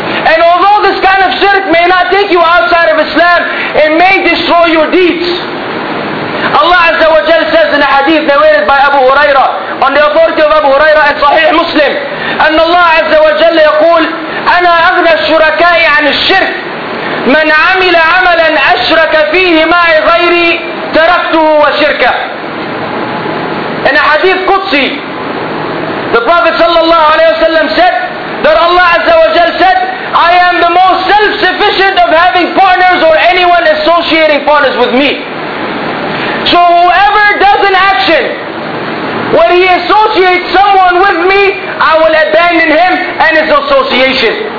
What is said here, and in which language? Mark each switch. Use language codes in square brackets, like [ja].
[en] And although this kind of shirk may not take you outside of Islam, it may destroy your deeds. Allah Azza wa Jal says in a hadith narrated by Abu Huraira, on the authority of Abu Huraira and Sahih Muslim, [ar] أن الله عز وجل يقول أنا أغنى الشركاء عن الشرك. من عمل عملا أشرك فيه معي غيري تركته وشركه. إن حديث قدسي. [en] The Prophet صلى الله عليه وسلم said that Allah عز وجل said I am the most self-sufficient of having partners or anyone associating partners with me. So whoever does an action when he associates someone with me, I will abandon him and his association.